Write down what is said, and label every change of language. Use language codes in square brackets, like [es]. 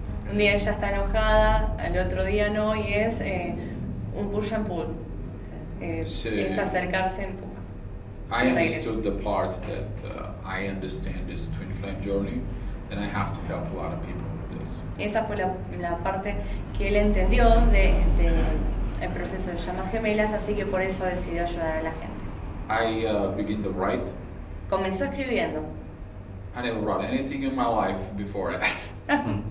[es] Un día ella está enojada, al otro día no, y es un [en] push and pull. [es] Es acercarse y empuja. [en] I understood the parts that I understand this twin flame journey, and I have to help a lot of people with this. [es] Esa fue la parte que él entendió de el proceso de llamas gemelas, así que por eso decidió ayudar a la gente. [en] I begin to write. [es] Comenzó escribiendo. [en] I never wrote anything in my life before that.